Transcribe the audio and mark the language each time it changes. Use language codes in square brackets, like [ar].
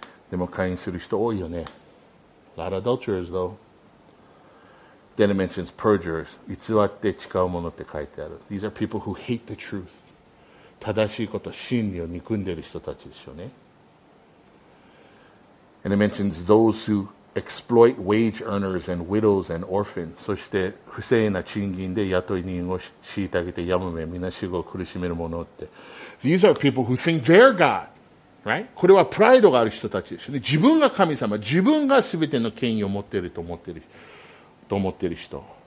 [ja] でも会員する人多いよね。 [en] A lot of adulterers, though. Then it mentions perjurers. [ja] 偽って誓うものって書いてある。 [en] These are people who hate the truth. [ja] 正しいこと、真理を憎んでる人たちですよね。 [en] And it mentions those who exploit wage earners and widows and orphans. [ja] そして、不正な賃金で雇い人を虐げて、やむめ、みなしごを苦しめるものって。 [en] These are people who think they're God. Right? [ja] これはプライドがある人たちですよね。自分が神様、自分が全ての権威を持っていると思っている、と思っている人。